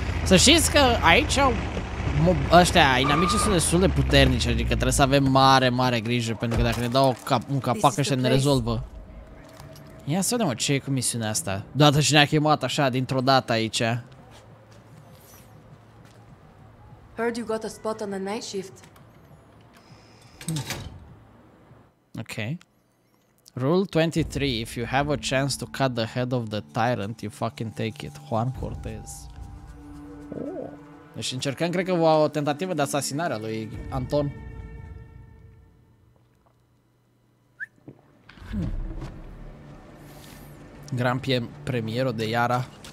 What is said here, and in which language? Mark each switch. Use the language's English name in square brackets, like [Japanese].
[Romanian] Să știți că aici au... Ăștia, inamicii sunt destul de puternici, adică trebuie să avem mare, mare grijă, pentru că dacă ne dau un capac ăștia ne rezolvă. Ia să vedem, mă, ce e cu misiunea asta. Doată și ne-a chemat așa, dintr-o dată aici. [English] Heard you got a spot on the night shift. Ok. Rule 23, if you have a chance to cut the head of the tyrant, you fucking take it. Juan Cortez. [Romanian] Deci încercăm, cred că, o tentativă de asasinare a lui Anton. [Spanish] Gran premiero de Yara.